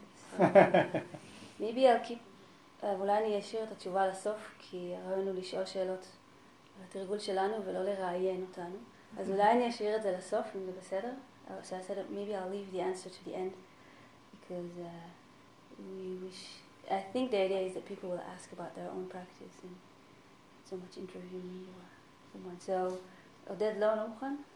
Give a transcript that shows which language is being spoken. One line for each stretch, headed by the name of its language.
English: So, maybe I'll keep,
Hebrew: אולי אני אשאיר את התשובה לסוף, כי הרעיון הוא לשאול שאלות על התרגול שלנו ולא לראיין אותנו. אז אולי אני אשאיר את זה לסוף, אם זה בסדר.
English: So I said, maybe I'll leave the answer to the end, because we wish... I think the idea is that people will ask about their own practice and so much interview me or someone.
Hebrew: So, עודד לא, לא מוכן?